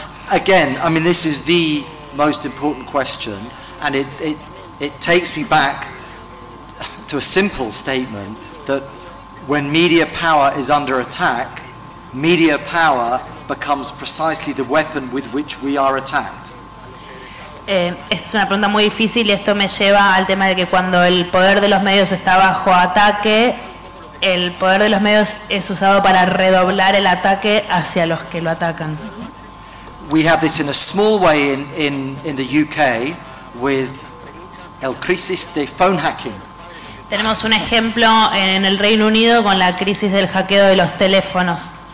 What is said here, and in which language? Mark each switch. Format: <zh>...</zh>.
<en>Again, I mean, this is the most important question, and it takes me back to a simple statement that when media power is under attack, media power becomes precisely the weapon with which we are attacked.</en> <es>Es una pregunta muy difícil, y esto me lleva al tema de que cuando el poder de los medios está bajo ataque, el poder de los medios es usado para redoblar el ataque hacia los que lo atacan.</es> <en>We have this in a small way in the UK with</en> <es>el crisis de</es> <en>phone hacking.</en> <es>Tenemos un ejemplo en el Reino Unido con la crisis del hackeo de los teléfonos.</es>